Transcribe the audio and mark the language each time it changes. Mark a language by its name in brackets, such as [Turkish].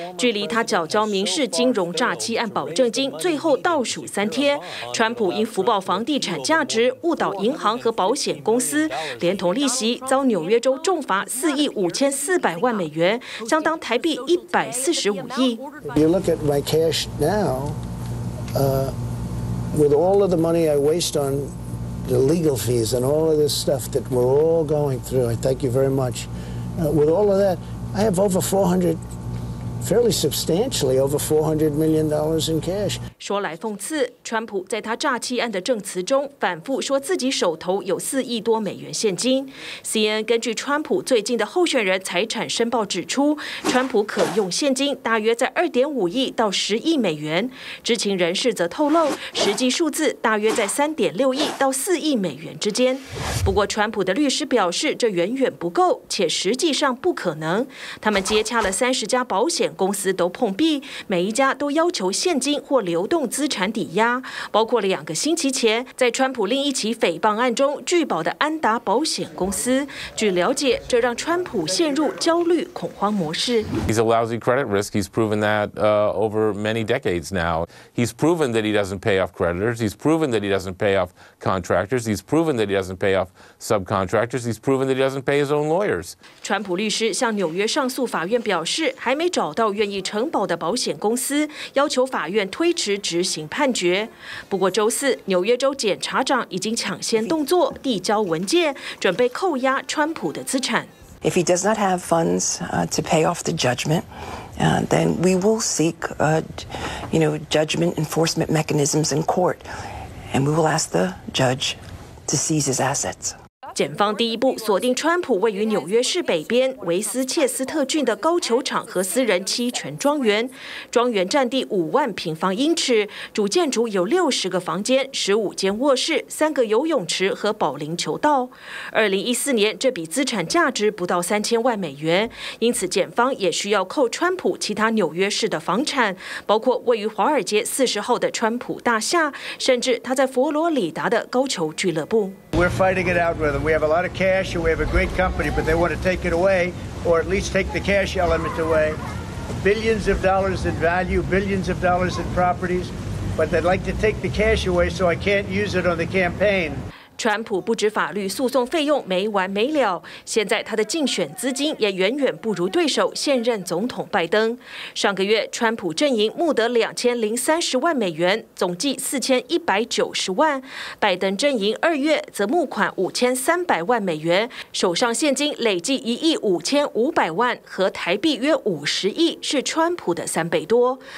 [Chinese] 距离他缴交民事金融诈欺案保证金最后倒数三天，川普因福报房地产价值误导银行和保险公司，连同利息遭纽约州重罚$45,400,000，相当台币145亿。 [English] You look at my cash now, With all of the money I waste on the legal fees and all of this stuff that we're all going through, I thank you very much. With all of that, I have over 400, fairly substantially over $400 million in cash. [Chinese] 说来讽刺，川普在他诈欺案的证词中反复说自己手头有$4亿多现金。 CNN 根据川普最近的候选人财产申报指出，川普可用现金大约在$2.5亿到$10亿。知情人士则透露，实际数字大约在$3.6亿到$4亿之间。不过，川普的律师表示，这远远不够，且实际上不可能。他们接洽了30家保险公司都碰壁，每一家都要求现金或流动资产抵押，包括了两个星期前在川普另一起诽谤案中拒保的安达保险公司。据了解，这让川普陷入焦虑恐慌模式。 [English] He's a lousy credit risk. He's proven that over many decades now. He's proven that he doesn't pay off creditors. He's proven that he doesn't pay off contractors. He's proven that he doesn't pay off subcontractors. He's proven that he doesn't pay his own lawyers. [Chinese] 川普律师向纽约上诉法院表示，还没找到愿意承保的保险公司，要求法院推迟执行判决。不过周四，纽约州检察长已经抢先动作，递交文件，准备扣押川普的资产。 [English] If he does not have funds to pay off the judgment, then we will seek, judgment enforcement mechanisms in court, and we will ask the judge to seize his assets. [Chinese] 检方第一步锁定川普位于纽约市北边维斯切斯特郡的高球场和私人期权庄园。庄园占地50,000平方英尺，主建筑有60个房间、15间卧室、3个游泳池和保龄球道。 2014年，这笔资产价值不到$3,000,000，因此检方也需要扣川普其他纽约市的房产，包括位于华尔街40号的川普大厦，甚至他在佛罗里达的高球俱乐部。 [English] We're fighting it out with them. We have a lot of cash and we have a great company, but they want to take it away, or at least take the cash element away. Billions of dollars in value, billions of dollars in properties, but they'd like to take the cash away so I can't use it on the campaign. [Chinese] 川普不止法律诉讼费用没完没了，现在他的竞选资金也远远不如对手现任总统拜登。上个月，川普阵营募得$2,030,000，总计$4,190,000；拜登阵营二月则募款$5,300,000，手上现金累计$1,500,000，和台币约50亿，是川普的3倍多。